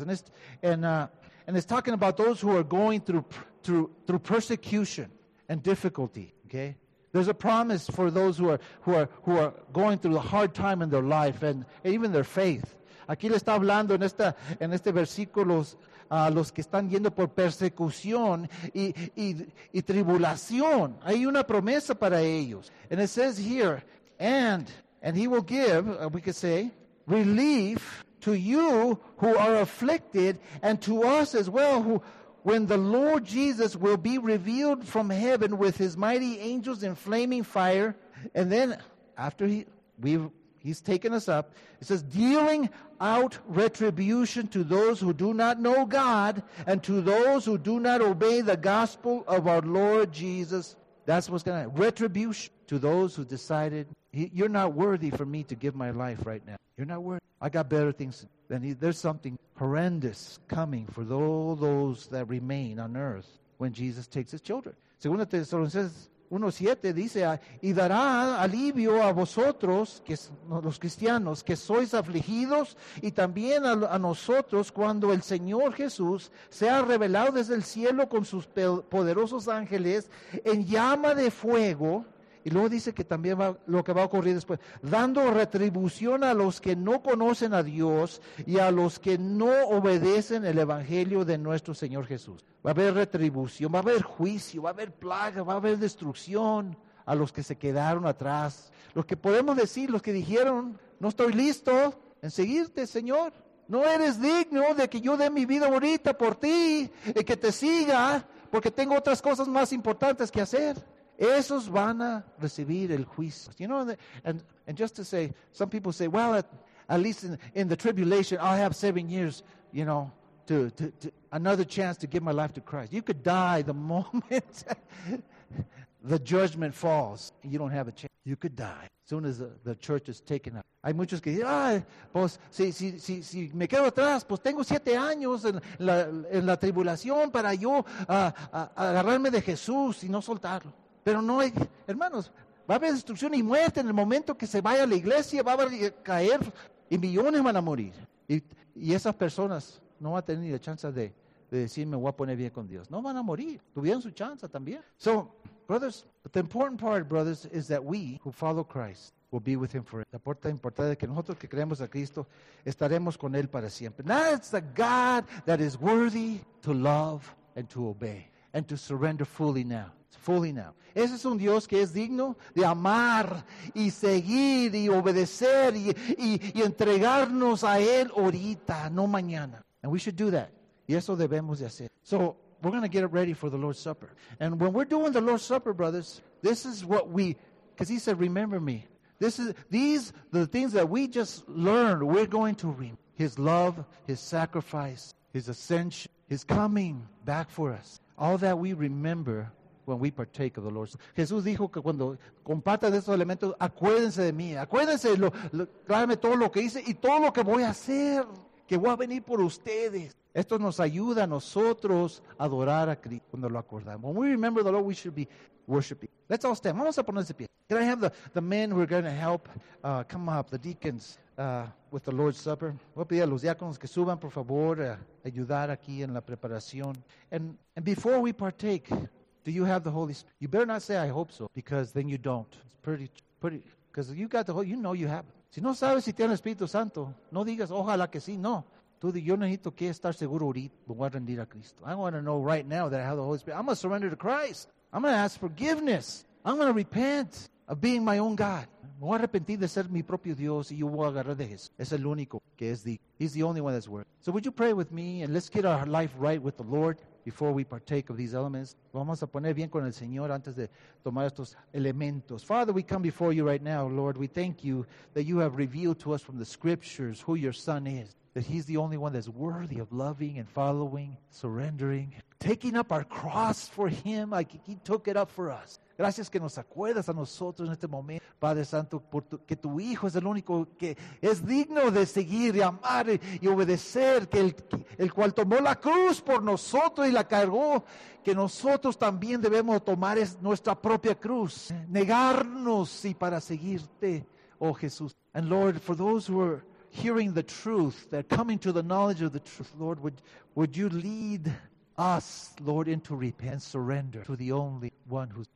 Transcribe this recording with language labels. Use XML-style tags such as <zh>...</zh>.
<en>And it's talking about those who are going through persecution and difficulty, okay? There's a promise for those who are going through a hard time in their life and even their faith.</en> <es>Aquí le está hablando en este versículo a los que están yendo por persecución y tribulación. Hay una promesa para ellos.</es> <en>And it says here, and he will give, we could say, relief to you who are afflicted and to us as well, who when the Lord Jesus will be revealed from heaven with his mighty angels in flaming fire. And then after he's taken us up, it says, dealing out retribution to those who do not know God and to those who do not obey the gospel of our Lord Jesus. That's what's going to happen. Retribution to those who decided, you're not worthy for me to give my life right now. You're not worthy. I got better things. There's something horrendous coming for all those that remain on earth when Jesus takes his children.</en> <es>Segunda Tesalonicenses 1:7 dice, y dará alivio a vosotros, que los cristianos, que sois afligidos, y también a nosotros cuando el Señor Jesús sea revelado desde el cielo con sus poderosos ángeles en llama de fuego. Y luego dice que también va lo que va a ocurrir después, dando retribución a los que no conocen a Dios y a los que no obedecen el evangelio de nuestro Señor Jesús. Va a haber retribución, va a haber juicio, va a haber plaga, va a haber destrucción a los que se quedaron atrás. Los que podemos decir, los que dijeron, no estoy listo en seguirte, Señor. No eres digno de que yo dé mi vida ahorita por ti y que te siga porque tengo otras cosas más importantes que hacer. Esos van a recibir el juicio.</es> <en>You know, and just to say, some people say, well, at least in the tribulation, I have 7 years, you know, to another chance to give my life to Christ. You could die the moment the judgment falls. You don't have a chance. You could die as soon as the church is taken up.</en> <es>Hay muchos que dicen, ay, pues, si me quedo atrás, pues tengo 7 años en la tribulación para yo agarrarme de Jesús y no soltarlo. Pero no hay, hermanos, va a haber destrucción y muerte en el momento que se vaya a la iglesia, va a caer y millones van a morir. Y esas personas no van a tener ni la chance de decir, me voy a poner bien con Dios. No van a morir, tuvieron su chance también.</es> <en>So, brothers, but the important part, brothers, is that we who follow Christ will be with him forever.</en> <es>La parte importante es que nosotros que creemos a Cristo estaremos con él para siempre.</es> <en>Now it's the God that is worthy to love and to obey and to surrender fully now. Fully now.</en> <es>Ese es un Dios que es digno de amar y seguir y obedecer y entregarnos a él ahorita, no mañana.</es> <en>And we should do that.</en> <es>Y eso debemos de hacer.</es> <en>So we're going to get ready for the Lord's Supper. And when we're doing the Lord's Supper, brothers, this is what we, because he said, remember me. These are the things that we just learned. We're going to remember his love, his sacrifice, his ascension, his coming back for us. All that we remember when we partake of the Lord's.</en> <es>Jesús dijo que cuando compartan estos elementos, acuérdense de mí. Acuérdense, clávenme todo lo que hice y todo lo que voy a hacer. Que voy a venir por ustedes. Esto nos ayuda a nosotros a adorar a Cristo cuando lo acordamos.</es> <en>When we remember the Lord, we should be worshiping. Let's all stand.</en> <es>Vamos a ponernos de pie.</es> <en>Can I have the men who are going to help come up, the deacons, with the Lord's Supper?</en> <es>Voy a pedir a los diáconos que suban, por favor, a ayudar aquí en la preparación.</es> <en>And before we partake, do you have the Holy Spirit? You better not say, I hope so, because then you don't. It's pretty, because you got the Holy, you know you have it.</en> <es>Si no sabes si tiene el Espíritu Santo, no digas, ojalá que sí, no. Tú dices, yo necesito que estar seguro ahorita, me voy a rendir a Cristo.</es> <en>I want to know right now that I have the Holy Spirit. I'm going to surrender to Christ. I'm going to ask forgiveness. I'm going to repent of being my own God.</en> <es>Me voy a arrepentir de ser mi propio Dios y yo voy a agarrar de Jesús. Es el único que es digno.</es> <en>He's the only one that's worth. So would you pray with me and let's get our life right with the Lord before we partake of these elements.</en> <es>Vamos a poner bien con el Señor antes de tomar estos elementos.</es> <en>Father, we come before you right now, Lord. We thank you that you have revealed to us from the scriptures who your Son is, that he's the only one that's worthy of loving and following, surrendering, taking up our cross for him like he took it up for us.</en> <es>Gracias que nos acuerdas a nosotros en este momento, Padre Santo, que tu Hijo es el único que es digno de seguir, de amar y obedecer, que el cual tomó la cruz por nosotros y la cargó, que nosotros también debemos tomar es nuestra propia cruz, negarnos y para seguirte, oh Jesús.</es> <en>And Lord, for those who are hearing the truth, they're coming to the knowledge of the truth, Lord, would you lead us, Lord, into repentance, surrender to the only one who's.</en>